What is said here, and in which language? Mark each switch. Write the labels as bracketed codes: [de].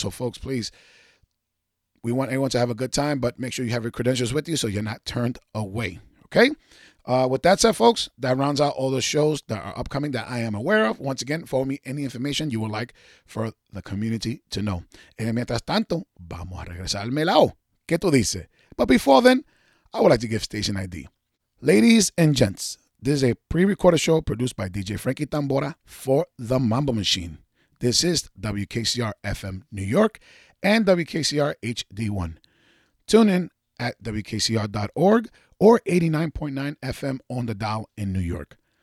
[en] So, folks, please, we want everyone to have a good time, but make sure you have your credentials with you so you're not turned away, okay? With that said, folks, that rounds out all the shows that are upcoming that I am aware of. Once again, forward me any information you would like for the community to know. [es] Y mientras tanto, vamos a regresar al melao. ¿Qué tú dices? [en] But before then, I would like to give station ID. Ladies and gents, this is a pre-recorded show produced by DJ Frankie Tambora for The Mambo Machine. This is WKCR FM New York and WKCR HD1. Tune in at WKCR.org. or 89.9 FM on the dial in New York.